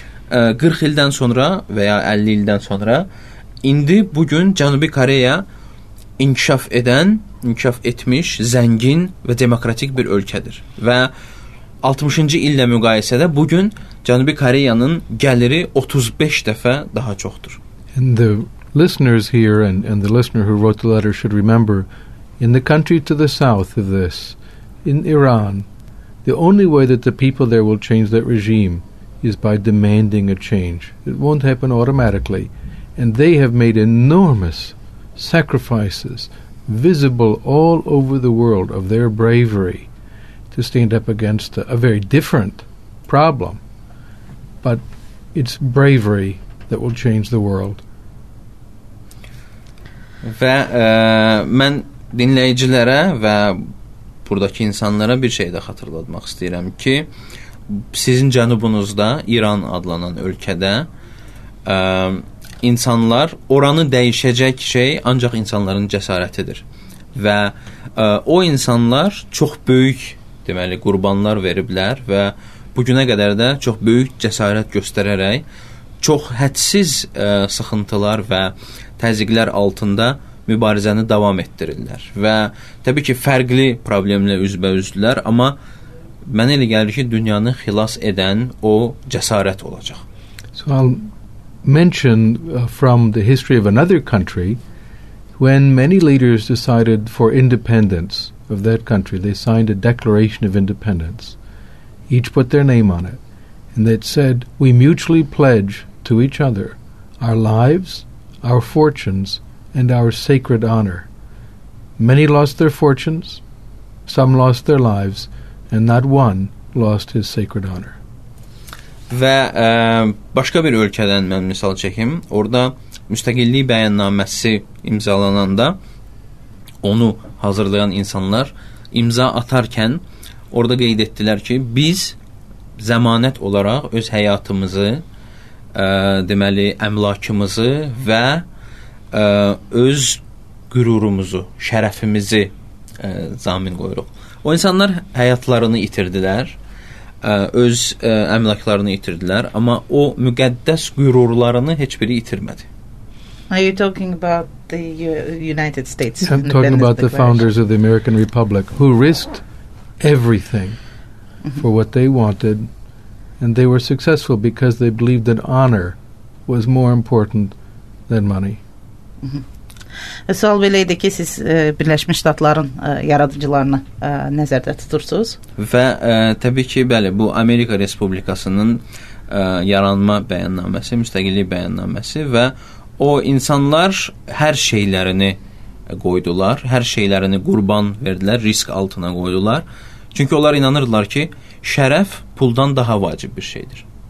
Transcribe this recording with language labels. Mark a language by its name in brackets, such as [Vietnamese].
[Azerbaijani] 40 ildən sonra və ya 50 ildən sonra indi bugün Cənubi Koreya inkişaf edən, inkişaf etmiş, zəngin və demokratik bir ölkədir. Və 60-cı illə müqayisədə bugün Cənubi Koreyanın gəliri 35 dəfə daha çoxdur. [English] And the listeners here and the listener who wrote the letter should remember, in the country to the south of this, in Iran, the only way that the people there will change that regime is by demanding a change. It won't happen automatically. And they have made enormous sacrifices visible all over the world of their bravery to stand up against a very different problem. But it's bravery that will change the world. [Azerbaijani] Və mən dinləyicilərə və buradakı insanlara bir şey də xatırlatmaq istəyirəm ki, sizin cənubunuzda, İran adlanan ölkədə insanlar, oranı dəyişəcək şey ancaq insanların cəsarətidir. Və o insanlar çox böyük, deməli, qurbanlar veriblər və bugünə qədər də çox böyük cəsarət göstərərək, çox hədsiz sıxıntılar və təzyiqlər altında mübarizəni davam etdirirlər. Və təbii ki, fərqli problemlə üzbəüzdülər, amma mənə elə gəlir ki, dünyanı xilas edən o cəsarət olacaq. [English] Sual mentioned from the history of another country, when many leaders decided for independence of that country, they signed a declaration of independence, each put their name on it, and that said, we mutually pledge to each other our lives, our fortunes, and our sacred honor. Many lost their fortunes, some lost their lives, and not one lost his sacred honor. [Azerbaijani] Və başqa bir ölkədən mən misal çəkim. Orada müstəqillik bəyannaməsi imzalananda onu hazırlayan insanlar imza atarkən orada qeyd etdilər ki, biz zəmanət olaraq öz həyatımızı, deməli, əmlakımızı və öz qürurumuzu, şərəfimizi zamin qoyuruq. O insanlar həyatlarını itirdilər, öz əmlaklarını itirdilər, amma o müqəddəs qürurlarını heç biri itirmədi. [English] Are you talking about the United States? I'm talking about the founders of the American Republic, who risked everything for what they wanted, and they were successful because they believed that honor was more important than money. [Azerbaijani] Sual belə idi ki, siz Birləşmiş Ştatların yaradıcılarını nəzərdə tutursunuz. Və təbii ki, bəli, bu Amerika Respublikasının yaranma bəyannaməsi, müstəqillik bəyannaməsi və o insanlar hər şeylərini qoydular, hər şeylərini qurban verdilər, risk altına qoydular. Çünki onlar inanırdılar ki, şərəf puldan daha vacib bir şeydir.